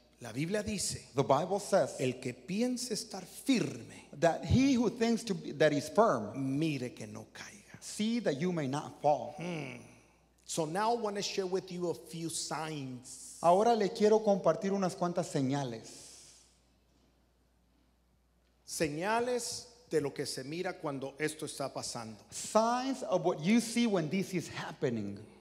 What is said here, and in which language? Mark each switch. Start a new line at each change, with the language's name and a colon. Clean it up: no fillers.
Spanish: La Biblia dice,
English: the Bible says,
Spanish: el que piense estar firme,
English: that he who thinks to be, that is firm,
Spanish: mire que no caiga.
English: See that you may not fall. So now I want to share with you a few signs.
Spanish: Ahora le quiero compartir unas cuantas señales. Señales de lo que se mira cuando esto está pasando.
English: Signs of what you see when this is happening.